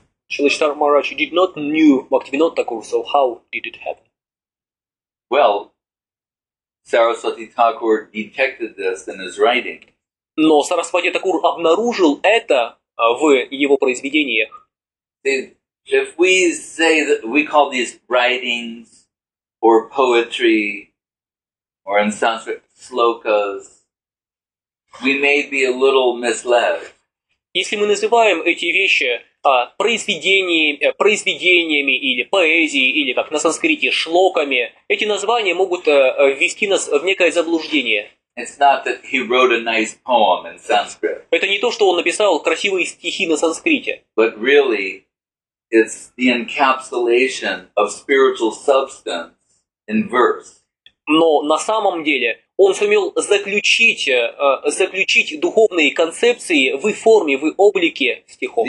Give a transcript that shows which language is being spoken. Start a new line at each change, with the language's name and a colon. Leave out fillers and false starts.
English: Shilishtar Maharaj, you did not knew Bhaktivinoda Thakur, so how did it happen? Well, Saraswati Thakur detected this in his writing.
Russian: Но Сарасвати Такур обнаружил это в его произведениях.
English: If we say that we call these writings or poetry or in Sanskrit slokas, we may be a little misled.
Russian: Если мы называем эти вещи произведениями или поэзией, или как на санскрите шлоками, эти названия могут ввести нас в некое заблуждение.
English: It's not that he wrote a nice poem in Sanskrit.
Russian: Это не то, что он написал красивые стихи на санскрите.
English: But really, it's the encapsulation of spiritual substance in verse.
Russian: Но на самом деле он сумел заключить духовные концепции в форме, в облике стихов.